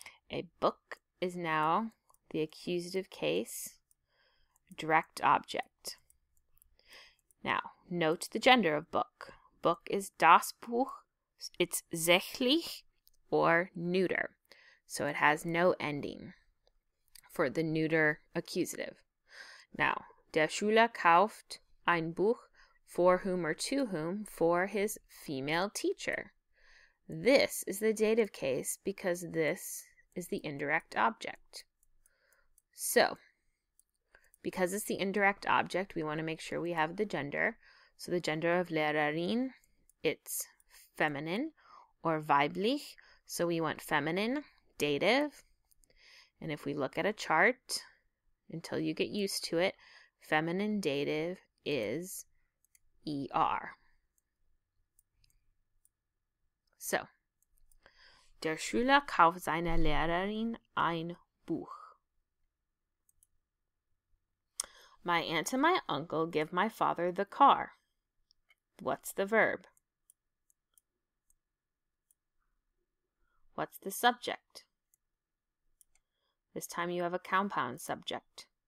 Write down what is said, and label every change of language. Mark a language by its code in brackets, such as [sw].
[en] A book is now the accusative case, direct object. Now, note the gender of book. Book is das Buch, it's sächlich or neuter, so it has no ending for the neuter accusative. Now, [de] der Schüler kauft ein Buch [en] for whom or to whom? For his female teacher. This is the dative case because this is the indirect object. So, because it's the indirect object, we want to make sure we have the gender. So the gender of Lehrerin, it's feminine or weiblich. So we want feminine, dative. And if we look at a chart, until you get used to it, feminine dative is ER. [de] So, der Schüler kauft seiner Lehrerin ein Buch. [en] My aunt and my uncle give my father the car. What's the verb? What's the subject? This time you have a compound subject.